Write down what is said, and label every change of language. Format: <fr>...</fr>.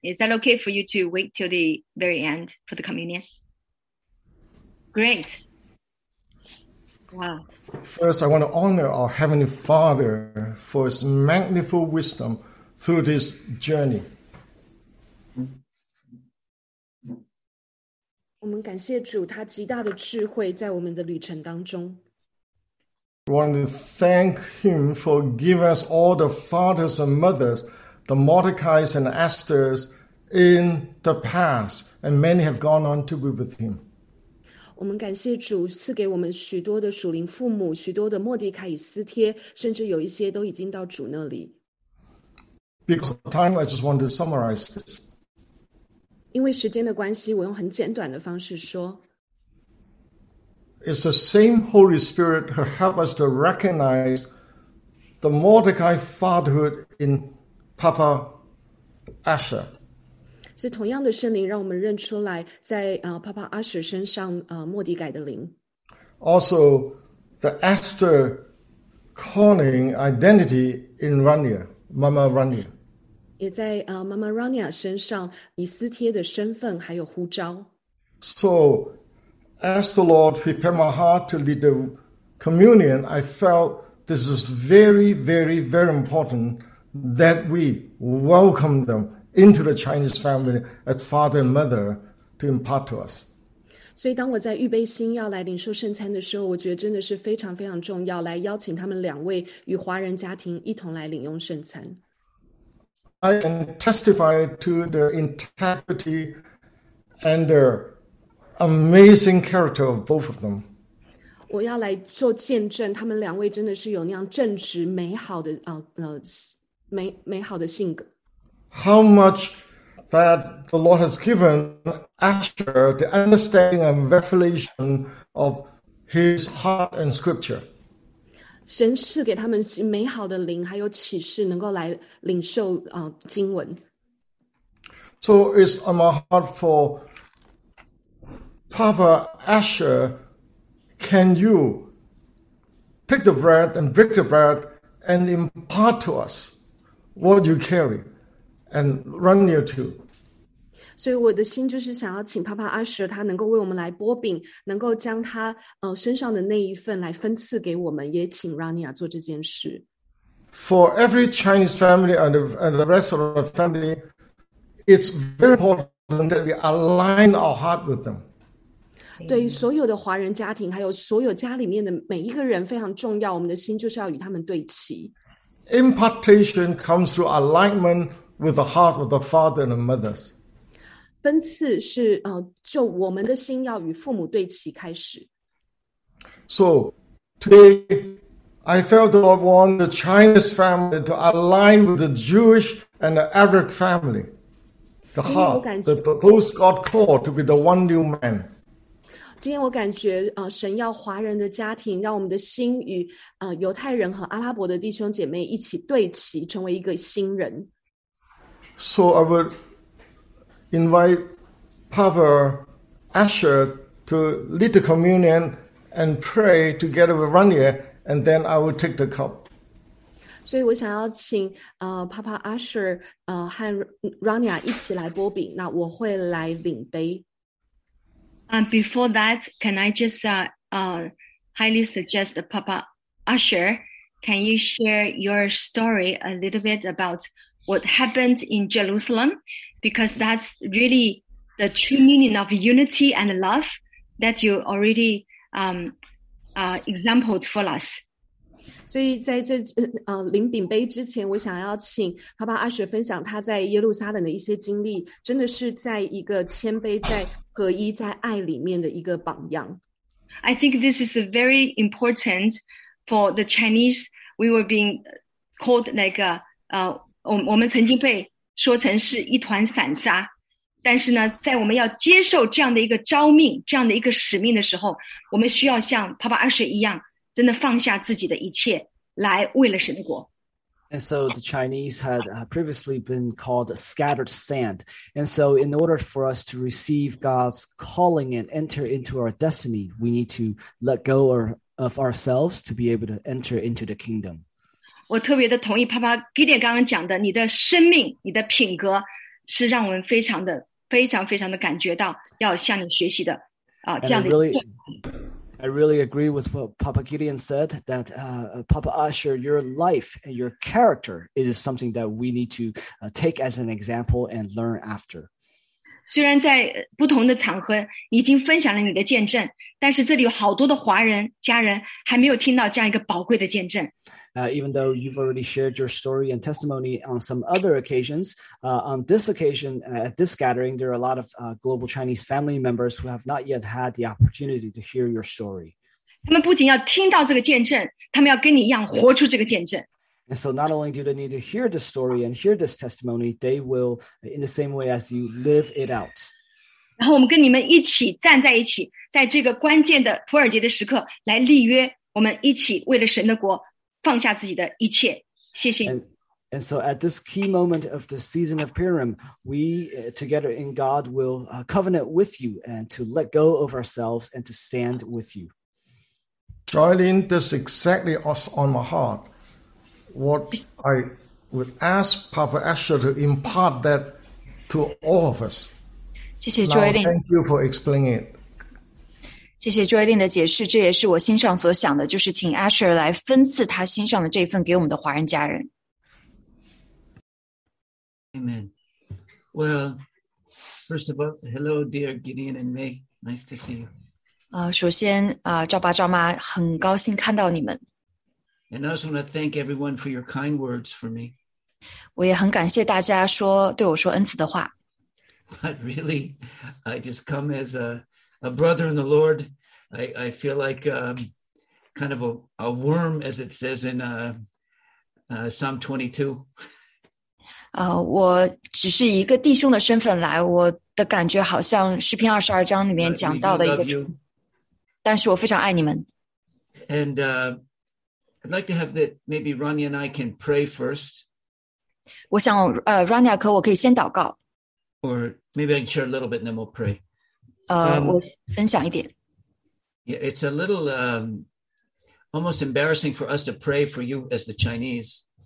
<en>Is that okay for you to wait till the very end for the communion? Great. Wow. First, I want to honor our Heavenly Father for His magnificent wisdom through this journey.</en> <zh>我们感谢主，他极大的智慧在我们的旅程当中。</zh> <en>We want to thank him for giving us all the fathers and mothers, the Mordecais and Esthers in the past, and many have gone on to be with him.</en> <zh>我们感谢主赐给我们许多的属灵父母，许多的莫迪卡以斯帖，甚至有一些都已经到主那里。</zh> <en>Because of time, I just want to summarize this.</en> <zh>因为时间的关系，我用很简短的方式说。</zh> <en>It's the same Holy Spirit who helped us to recognize the Mordecai fatherhood in Papa Asher.</en> <zh>是同样的圣灵让我们认出来在Papa Asher身上莫迪改的灵。</zh> <en>Also, the Esther Conning identity in Rania, Mama Rania.</en> <zh>也在Mama Rania身上以斯帖的身份还有呼召。</zh> <en>So,As the Lord prepared my heart to lead the communion, I felt this is very, very, very important that we welcome them into the Chinese family as father and mother to impart to us.</en> <zh>所以当我在预备心要来领受圣餐的时候，我觉得真的是非常非常重要，来邀请他们两位与华人家庭一同来领用圣餐。</zh> <en>I can testify to the integrity and the amazing character of both of them.</en> <zh>我要来做见证，他们两位真的是有那样正直美好的美好的性格。</zh> <en>How much that the Lord has given Asher the understanding and revelation of His heart and Scripture.</en> <zh>神赐给他们美好的灵，还有启示，能够来领受经文。</zh> <en>So it's on my heart for. Papa Asher, can you take the bread and break the bread and impart to us what you carry and run near to?</en> <zh>所以我的心就是想要请 Papa Asher 他能够为我们来拨饼，能够将他身上的那一份来分赐给我们，也请 Rania 做这件事。</zh> <en>For every Chinese family and the rest of the family, it's very important that we align our heart with them.</en> <zh>对所有的华人家庭，还有所有家里面的每一个人非常重要，我们的心就是要与他们对齐。</zh> <en>Impartation comes through alignment with the heart of the father and the mothers.</en> <zh>分次是就我们的心要与父母对齐开始。</zh> <en>So today I felt the Lord want the Chinese family to align with the Jewish and the Arab family. The heart, the those God called to be the one new man.</en> <zh>今天我感觉神要华人的家庭让我们的心与犹太人和阿拉伯的弟兄姐妹一起对齐，成为一个新人。</zh> <en>So I would invite Papa Asher to lead the communion and pray together with Rania, and then I will take the cup.</en> <zh>所以我想要请Papa Asher和 Rania 一起来拨饼，那我会来领杯。</zh> <en>Before that, can I just highly suggest Papa Asher, can you share your story a little bit about what happened in Jerusalem? Because that's really the true meaning of unity and love that you already exampled for us.</en> <zh>所以在这领饼杯之前，我想要请Papa Asher分享他在耶路撒冷的一些经历，真的是在一个谦卑在合一在爱里面的一个榜样。</zh> <en>I think this is very important for the Chinese. We were being called like</en> <zh>我们曾经被说成是一团散沙。但是呢，在我们要接受这样的一个召命、这样的一个使命的时候，我们需要像Papa Asher一样，真的放下自己的一切，来为了神国。</zh> <en>And so the Chinese had previously been called scattered sand. And so in order for us to receive God's calling and enter into our destiny, we need to let go of ourselves to be able to enter into the kingdom.</en> <zh>我特别的同意爸爸Gideon刚刚讲的，你的生命，你的品格是让我们非常的，非常非常的感觉到要向你学习的，这样的一个。</zh> <en>I really agree with what Papa Gideon said, that Papa Asher, your life and your character is something that we need to take as an example and learn after.</en> <zh>虽然在不同的场合已经分享了你的见证，但是这里有好多的华人家人还没有听到这样一个宝贵的见证。</zh> <en>Even though you've already shared your story and testimony on some other occasions, on this occasion, at this gathering, there are a lot of global Chinese family members who have not yet had the opportunity to hear your story.</en> <zh>他们不仅要听到这个见证，他们要跟你一样活出这个见证。</zh> <en>And so not only do they need to hear this story and hear this testimony, they will, in the same way as you, live it out.</en> <zh>然后我们跟你们一起站在一起，在这个关键的普尔节的时刻来立约，我们一起为了神的国放下自己的一切。谢谢。</zh> <en>And so at this key moment of the season of Purim, we together in God will covenant with you and to let go of ourselves and to stand with you. Joylene, this exactly was on my heart. What I would ask Papa Asher to impart that to all of us.</en> <zh>谢谢 Joylene.</zh> <en>Thank you for explaining it.</en> <zh>谢谢 Joylene 的解释，这也是我心上所想的，就是请 Asher 来分赐他心上的这份给我们的华人家人。</zh> <en>Amen. Well, first of all, hello, dear Gideon and May. Nice to see you.</en> <zh>首先赵爸赵妈，很高兴看到你们。</zh> <en>And I also want to thank everyone for your kind words for me.</en> <zh>我也很感谢大家说对我说恩慈的话。</zh> <en>But really, I just come as a brother in the Lord. I feel like kind of a worm, as it says in Psalm 22.</en> <zh>我只是一个弟兄的身份来，我的感觉好像诗篇二十二章里面讲到的一个。但是我非常爱你们。</zh> <en>And I'd like to have that maybe Rania and I can pray first.</en> <zh>我想Rania 可我可以先祷告。</zh> <en>Or maybe I can share a little bit and then we'll pray.</en> <zh>我分享一点。</zh> <en>Yeah, it's a little almost embarrassing for us to pray for you as the Chinese.</en>